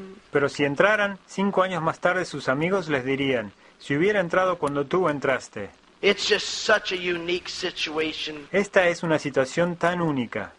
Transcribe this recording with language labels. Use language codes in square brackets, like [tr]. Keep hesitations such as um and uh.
[es] Pero si entraran, cinco años más tarde sus amigos les dirían, si hubiera entrado cuando tú entraste. [en] It's just such a unique situation. [es] Esta es una situación tan única.